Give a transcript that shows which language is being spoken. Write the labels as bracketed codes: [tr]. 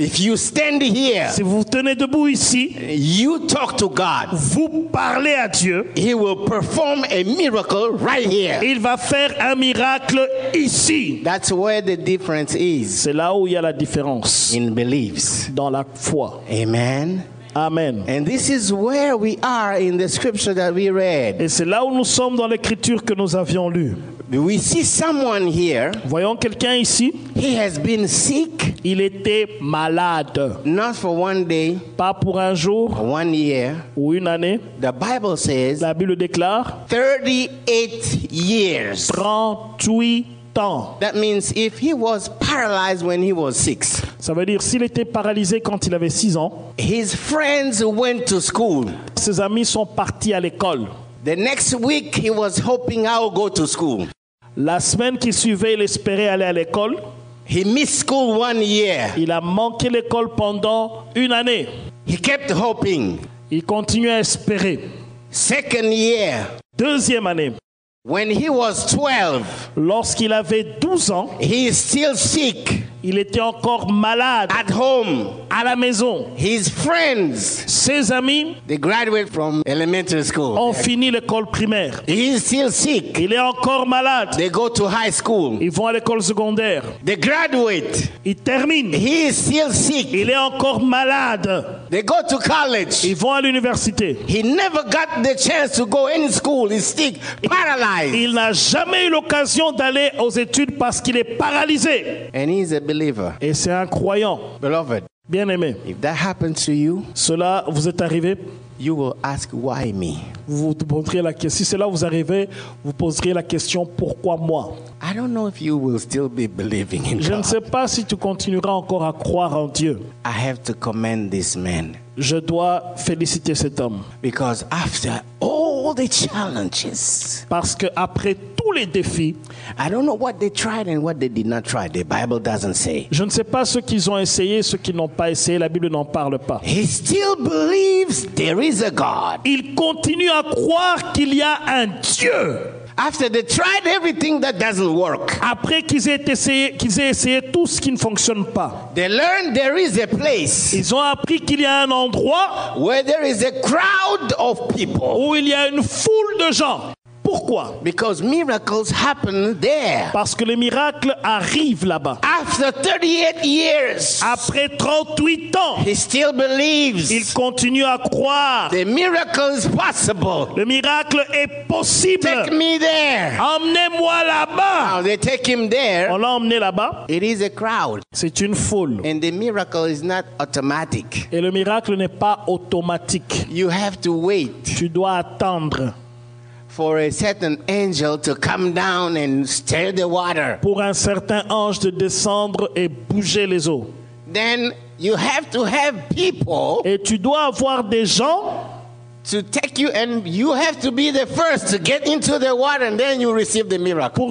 [en] if you stand here, [fr] si vous tenez debout ici, [en] you talk to God, [fr] vous parlez à Dieu, [en] he will perform a miracle right here. [fr] Il va faire un miracle ici. [en] That's where the difference is. [fr] C'est là où il y a la différence. [en] In beliefs. [fr] Dans la foi. [en] Amen. [fr] Amen. [en] And this is where we are in the scripture that we read. [fr] Et c'est là où nous sommes dans l'écriture que nous avions lu. [en] We see someone here. [fr] Voyons quelqu'un ici. [en] He has been sick. [fr] Il était malade. [en] Not for one day. [fr] Pas pour un jour. [en] One year. [fr] Ou une année. [en] The Bible says. [fr] La Bible déclare. [en] 38 years. [fr] 38 ans. [en] That means if he was paralyzed when he was 6. [fr] Ça veut dire s'il était paralysé quand il avait 6 ans. [en] His friends went to school. [fr] Ses amis sont partis à l'école. [en] The next week he was hoping I would go to school. [fr] La semaine qui suivait, il espérait aller à l'école. [en] He missed school one year. [fr] Il a manqué l'école pendant une année. [en] He kept hoping. [fr] Il continuait à espérer. [en] Second year. [fr] Deuxième année. [en] When he was 12. [fr] Lorsqu'il avait 12 ans. [en] He is still sick. [fr] Il était encore malade. [en] At home. [fr] À la maison. [en] His friends. [fr] Ses amis. [en] They graduated from elementary school. [fr] Ont fini l'école primaire. [en] He is still sick. [fr] Il est encore malade. [en] They go to high school. [fr] Ils vont à l'école secondaire. [en] They graduate. [fr] Ils terminent. [en] He is still sick. [fr] Il est encore malade. [en] They go to college. [fr] Ils vont à l'université. [en] He never got the chance to go any school. He's sick, paralyzed. [fr] Il n'a jamais eu l'occasion d'aller aux études parce qu'il est paralysé. [en] And he's a believer. [fr] Et c'est un croyant. [en] Beloved. [fr] Bien-aimé. [en] If that happened to you, [fr] cela vous est arrivé. [en] You will ask why me. [fr] Vous poserez la question. Si cela vous arrive, vous poserez la question pourquoi moi. [en] I don't know if you will still be believing in God. [fr] Je ne sais pas si tu continueras encore à croire en Dieu. [en] I have to commend this man. [fr] Je dois féliciter cet homme. [en] Because after all the challenges. [fr] Parce que après tous les défis. [en] I don't know what they tried and what they did not try. The Bible doesn't say. [fr] Je ne sais pas ce qu'ils ont essayé, ce qu'ils n'ont pas essayé. La Bible n'en parle pas. [en] He still believes there is a God. [fr] Il continue à croire qu'il y a un Dieu. [en] After they tried everything that doesn't work. [fr] Après qu'ils aient essayé tout ce qui ne fonctionne pas. [en] They learned there is a place. [fr] Ils ont appris qu'il y a un endroit. [en] Where there is a crowd of people. [fr] Où il y a une foule de gens. Pourquoi? [en] Because miracles happen there. [fr] Parce que les miracles arrivent là-bas. [en] After 38 years. [fr] Après 38 ans. [en] He still believes. [fr] Il continue à croire. [en] The miracle is possible. [fr] Le miracle est possible. [en] Take me there. [fr] Emmenez-moi là-bas. [en] Now they take him there. [fr] On l'a emmené là-bas. [en] It is a crowd. [fr] C'est une foule. [en] And the miracle is not automatic. [fr] Et le miracle n'est pas automatique. [en] You have to wait. [fr] Tu dois attendre. [en] For a certain angel to come down and stir the water. [fr] Pour un certain ange de descendre et bouger les eaux. [en] Then you have to have people. [fr] Et tu dois avoir des gens. [en] To take you and you have to be the first to get into the water and then you receive the miracle.